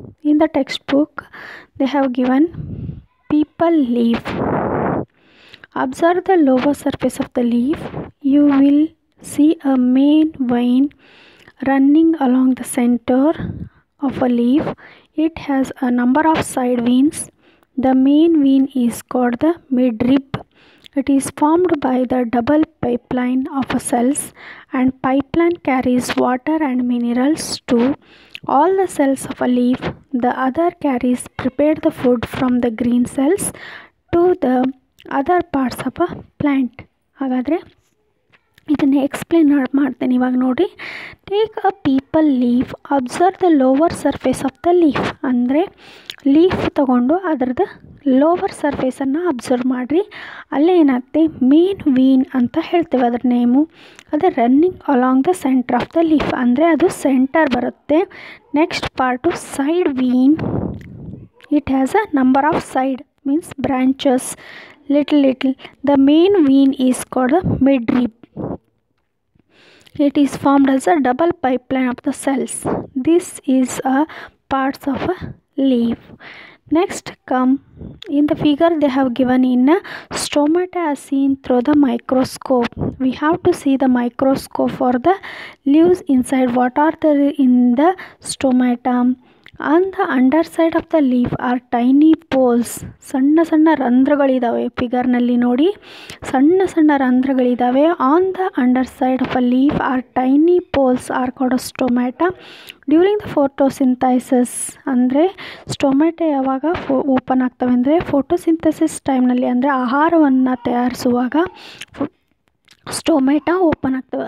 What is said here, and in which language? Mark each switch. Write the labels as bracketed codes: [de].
[en] In the textbook they have given peepal leave. Observe the lower surface of the leave. You will see a main vein running along the centre of a leave. It has a number of side veins. The main vein is called the midrib. It is formed by the double pipeline of cells, and pipeline carries water and minerals to all the cells of a leaf. The other carries prepared the food from the green cells to the other parts of a plant. [kn] ಹಾಗಾದರೆ ಇದನ್ನು explain ಮಾಡ್ತೇನೆ ಇವಾಗ ನೋಡಿ. [en] Take a peepal leaf, observe the lower surface of the leaf. [kn] ಅಂದರೆ leaf ತಗೊಂಡು ಅದರದ್ದು lower ಸರ್ಫೇಸನ್ನು observe ಮಾಡಿರಿ. ಅಲ್ಲಿ ಏನಾಗುತ್ತೆ, ಮೇನ್ ವೀನ್ ಅಂತ ಹೇಳ್ತೇವೆ ಅದರ ನೇಮು, ಅದು [en] running along the centre of the leaf, [kn] ಅಂದರೆ ಅದು ಸೆಂಟರ್ ಬರುತ್ತೆ. [en] Next part side vein. It has a number of side means branches, little little. The main vein is called the midrib. It is formed as a double pipeline of the cells. This is a parts of a leaf. Next come, in the figure they have given in a stomata as seen through the microscope. We have to see the microscope for the leaves inside. What are there in the stomata? On the underside of the leaf are tiny pores. [kn] ಸಣ್ಣ ಸಣ್ಣ ರಂಧ್ರಗಳಿದ್ದಾವೆ ಫಿಗರ್ನಲ್ಲಿ ನೋಡಿ, ಸಣ್ಣ ಸಣ್ಣ ರಂಧ್ರಗಳಿದ್ದಾವೆ. [en] On the underside of a leaf are tiny pores are called stomata. During the photosynthesis, [kn] ಅಂದರೆ stomata ಯಾವಾಗ open ಆಗ್ತವೆ ಅಂದರೆ photosynthesis ಟೈಮ್ನಲ್ಲಿ, ಅಂದರೆ ಆಹಾರವನ್ನು ತಯಾರಿಸುವಾಗ ಸ್ಟೊಮೆಟ ಓಪನ್ ಆಗ್ತವೆ.